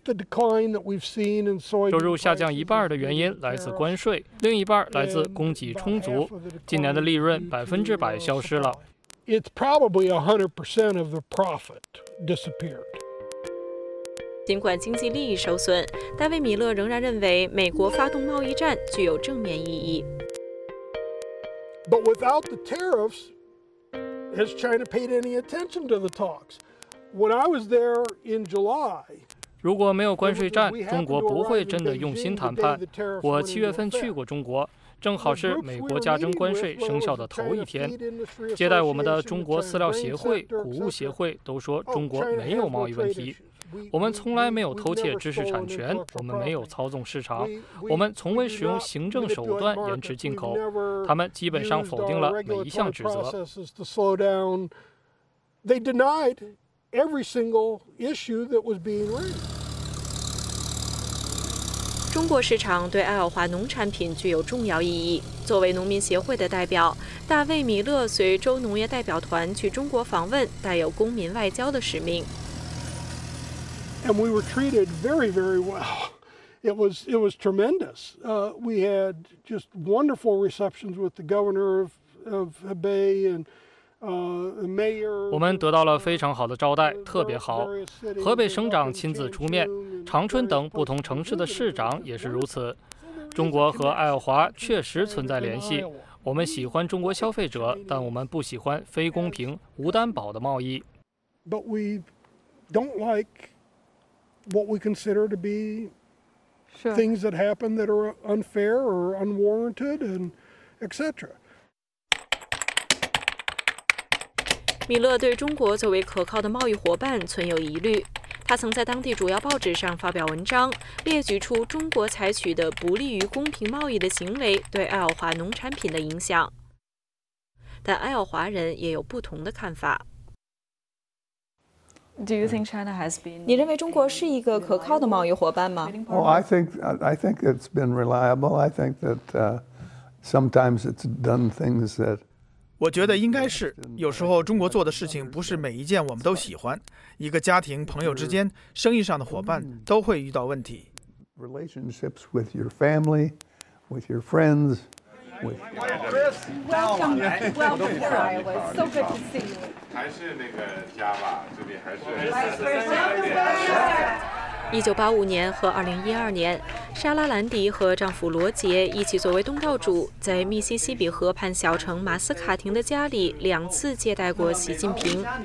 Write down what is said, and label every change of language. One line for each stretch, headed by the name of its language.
Chinese: 收入下降一半的原因来自关税，另一半来自供给充足。今年的利润100%消失了。
English: It's probably 100% of the profit disappeared.
Chinese: 尽管经济利益受损，大卫·米勒仍然认为美国发动贸易战具有正面意义。
English: But without the tariffs, has China paid any attention to the talks? When I was there in July,
Chinese: 如果没有关税战，中国不会真的用心谈判。我七月份去过中国，正好是美国加征关税生效的头一天。接待我们的中国饲料协会、谷物协会都说中国没有贸易问题。我们从来没有偷窃知识产权，我们没有操纵市场，我们从未使用行政手段延迟进口。他们基本上否定了每一项指责。
English: Every single issue that was being raised.
Chinese: 中国市场对爱奥华农产品具有重要意义。作为农民协会的代表，大卫·米勒随州农业代表团去中国访问，带有公民外交的使命。
English: And we were treated very, very well. It was tremendous. We had just wonderful receptions with the governor of Hebei and.
Chinese: 我们得到了非常好的招待，特别好。河北省长亲自出面，长春等不同城市的市长也是如此。中国和爱奥华确实存在联系。我们喜欢中国消费者，但我们不喜欢非公平、无担保的贸易。
English: But we don't like what we consider to be things that happen that are unfair or unwarranted and etc.
Chinese: 米勒对中国作为可靠的贸易伙伴存有疑虑，他曾在当地主要报纸上发表文章，列举出中国采取的不利于公平贸易的行为对爱奥华农产品的影响。但爱奥华人也有不同的看法。
English: Do you think China has been?
Chinese: 你认为中国是一个可靠的贸易伙伴吗
English: ？Oh, I think it's been reliable. I think that sometimes it's done things that.
Chinese: 我觉得应该是，有时候中国做的事情不是每一件我们都喜欢。一个家庭、朋友之间、生意上的伙伴都会遇到问题。
English: Relationships with your family, with your friends, with. Welcome, welcome to Iowa. So good to see you.
Chinese: 还是那个家吧，这里还是。 1985年和2012年，莎拉兰迪和丈夫罗杰一起作为东道主，在密西西比河畔小城马斯卡廷的家里两次接待过习近平。